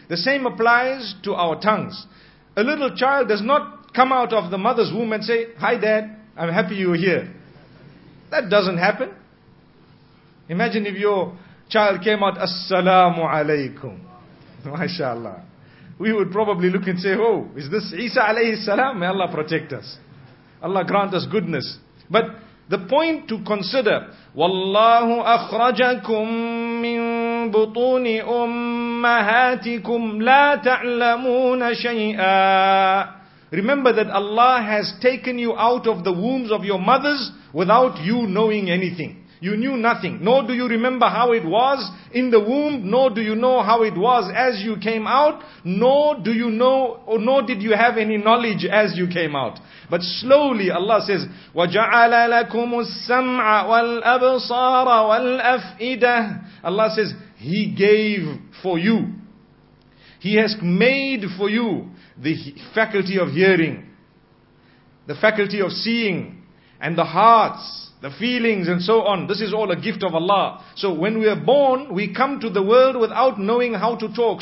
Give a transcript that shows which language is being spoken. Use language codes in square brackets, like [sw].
[en] The same applies to our tongues. A little child does not come out of the mother's womb and say, "Hi Dad, I'm happy you're here." That doesn't happen. Imagine if your child came out, "Assalamu alaikum." MashaAllah. We would probably look and say, "Oh, is this Isa alayhi salam? May Allah protect us. Allah grant us goodness." But the point to consider, [ar] وَاللَّهُ أَخْرَجَكُمْ مِنْ بُطُونِ أُمَّهَاتِكُمْ لَا تَعْلَمُونَ شَيْئًا. [en] Remember that Allah has taken you out of the wombs of your mothers without you knowing anything. You knew nothing, nor do you remember how it was in the womb, nor do you know how it was as you came out, nor do you know, or nor did you have any knowledge as you came out. But slowly Allah says, [ar] وَجَعَلَ لَكُمُ السَّمْعَ وَالْأَبْصَارَ وَالْأَفْئِدَةَ. [en] Allah says, He gave for you. He has made for you the faculty of hearing, the faculty of seeing, and the hearts, the feelings, and so on. This is all a gift of Allah. So when we are born, we come to the world without knowing how to talk.